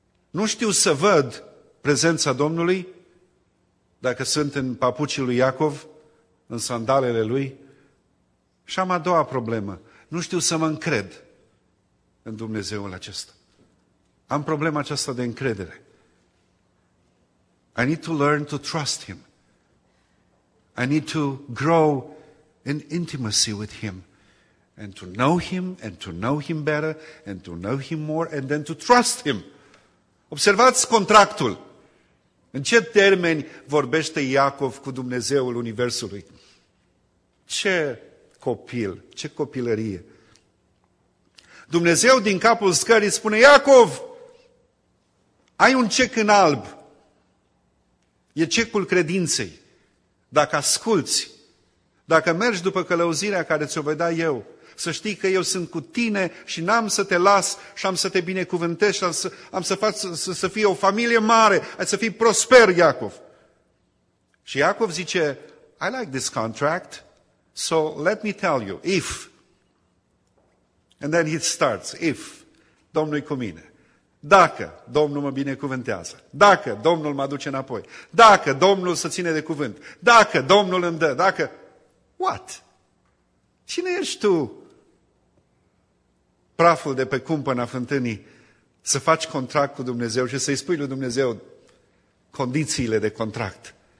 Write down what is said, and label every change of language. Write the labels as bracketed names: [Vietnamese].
[Romanian] Nu știu să văd prezența Domnului dacă sunt în papucii lui Iacov, în sandalele lui. Și am a doua problemă. Nu știu să mă încred în Dumnezeul acesta. Am problema aceasta de încredere. [English] I need to learn to trust Him. I need to grow in intimacy with Him and to know Him and to know Him better and to know Him more and then to trust Him. [Romanian] Observați contractul. În ce termeni vorbește Iacov cu Dumnezeul Universului? Ce copil, ce copilărie. Dumnezeu din capul scării spune, Iacov, ai un cec în alb. E cecul credinței. Dacă asculți, dacă mergi după călăuzirea care ți-o voi da eu, să știi că eu sunt cu tine și n-am să te las și am să te binecuvântez și am să fie o familie mare, ai să fii prosper, Iacov. Și Iacov zice, [English] I like this contract, so let me tell you, if. And then he starts, if, [Romanian] Domnul e cu mine. Dacă Domnul mă binecuvântează, dacă Domnul mă aduce înapoi, dacă Domnul se ține de cuvânt, dacă Domnul îmi dă, dacă... [English] What? [Romanian] Cine ești tu, praful de pe cumpăna fântânii, să faci contract cu Dumnezeu și să-i spui lui Dumnezeu condițiile de contract?